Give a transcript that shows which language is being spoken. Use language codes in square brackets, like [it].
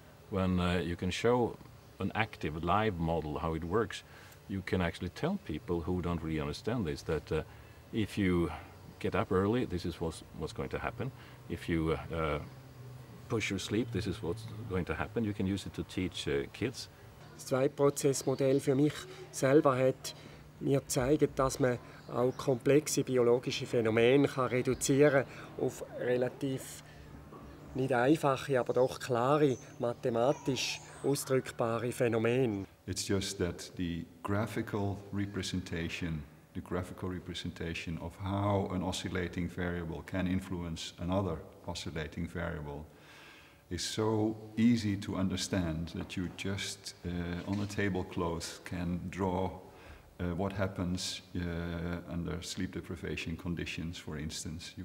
[en] When you can show an active, live model how it works, you can actually tell people who don't really understand this that if you get up early, this is what's going to happen. If you push your sleep, this is what's going to happen. You can use it to teach kids. [de] Das Zwei-Prozess-Modell für mich selber hat mir gezeigt, dass man auch komplexe biologische Phänomene kann reduzieren auf relativ nicht einfache, aber doch klare, mathematisch ausdrückbare Phänomene. [en] It's just that the graphical representation of how an oscillating variable can influence another oscillating variable is so easy to understand that you just on a tablecloth can draw what happens under sleep deprivation conditions, for instance.